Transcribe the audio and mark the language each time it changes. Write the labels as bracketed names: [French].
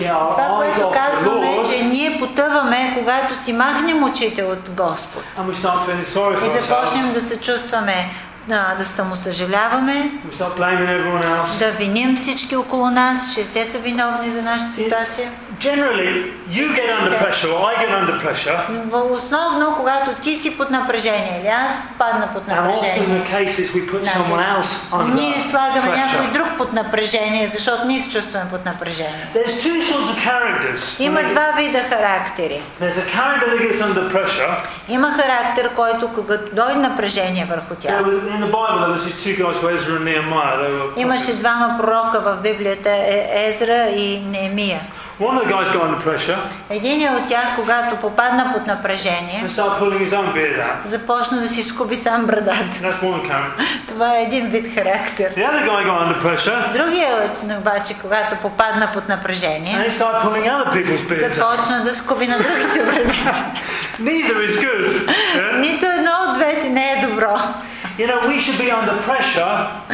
[Bulgarian] Това, което казваме, е, че ние потъваме, когато си махнем очите от Господ. И започнем да се чувстваме, да самосъжаляваме, да виним всички около нас, че те са виновни за нашата ситуация. [English] Generally, you get under pressure, I get under pressure. [Bulgarian] Основно, когато ти си под напрежение, или аз падна под напрежение. [English] And often the case is we put someone else under pressure. [Bulgarian] Ние слагаме някой друг под напрежение, защото ние се чувстваме под напрежение. [English] There's two sorts of characters. [Bulgarian] Има два вида характери. [English] There's a character that gets under pressure. [Bulgarian] Има характер, който когато дойде напрежение върху тях. [English] In the Bible, there was these two guys, Ezra and Nehemiah. [Bulgarian] Имаше двама пророка в Библията, Езра и Неемия. [English] One of the guys got under pressure. [Bulgarian] Единият от тях, когато попадна под напрежение, започна да си скуби сам брадата. [English] That's one character. [Bulgarian] Това е един вид характер. [English] The other guy got under pressure. [Bulgarian] Другият, обаче, когато попадна под напрежение, [English] and he started pulling other people's beards. [Bulgarian] Започна да скуби на другите брадите. [English] Neither is good. Yeah? [Bulgarian] Нито едно от двете не е добро. [English] You know, we should be under pressure.